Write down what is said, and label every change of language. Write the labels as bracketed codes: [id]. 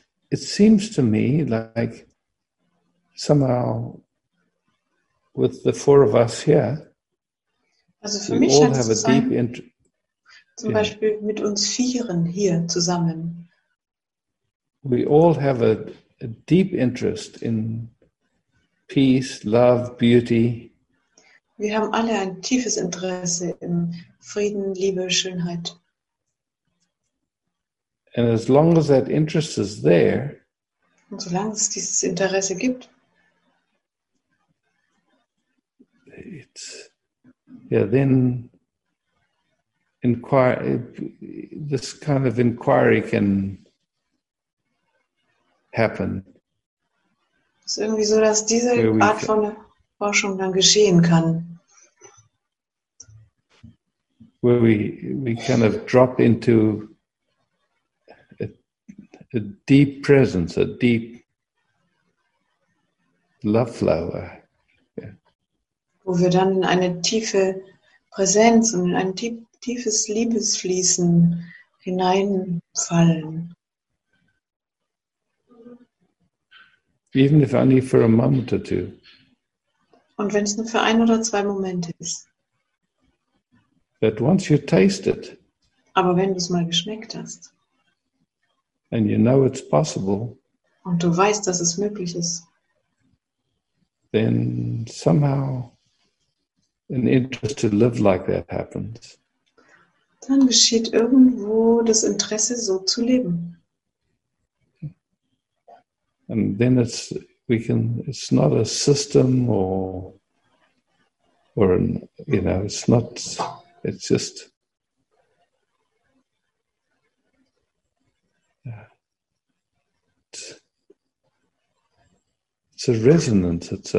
[en] It seems to me like somehow with the four of us here, [de] also für mich scheint es zu sein, deep zum Beispiel mit uns Vieren hier zusammen. [en] We all have a deep interest in peace, love, beauty. [de] Wir haben alle ein tiefes Interesse in Frieden, Liebe, Schönheit. [en] And as long as that interest is there, [de] und solange es dieses Interesse gibt, [en] it's, yeah, then this kind of inquiry can happen. [de] Es ist irgendwie so, dass diese Art von Forschung dann geschehen kann. [en] Where we kind of drop into a deep presence, a deep love flower. Yeah. [de] Wo wir dann in eine tiefe Präsenz und in ein tiefes Liebesfließen hineinfallen. [en] Even if only for a moment or two. [de] Und wenn es nur für ein oder zwei Momente ist. [en] But once you taste it. [de] Aber wenn du es mal geschmeckt hast. [en] And you know it's possible. [de] Und du weißt, dass es möglich ist. [en] Then somehow an interest to live like that happens. [de] Dann geschieht irgendwo das Interesse, so zu leben. [en] And then it's not a system or an, you know, it's just it's a resonance,